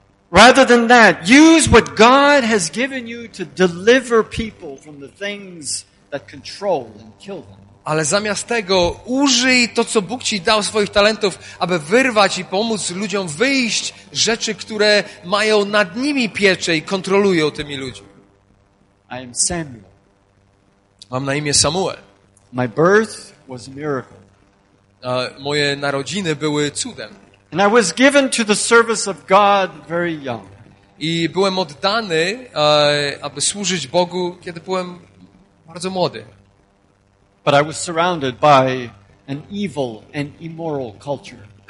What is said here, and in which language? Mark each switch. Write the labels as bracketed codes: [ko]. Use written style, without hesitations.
[en] Rather than that, use what God has given you to deliver people from the things that control and kill them. [pl] Ale zamiast tego użyj to, co Bóg ci dał, swoich talentów, aby wyrwać i pomóc ludziom wyjść rzeczy, które mają nad nimi pieczę i kontrolują tymi ludźmi. [en] I am Samuel. [pl] Mam na imię Samuel. [en] My birth was a miracle. [pl] Moje narodziny były cudem. [en] And I was given to the service of God very young. [pl] I byłem oddany, aby służyć Bogu, kiedy byłem bardzo młody. [en] But I was surrounded by an evil and immoral culture.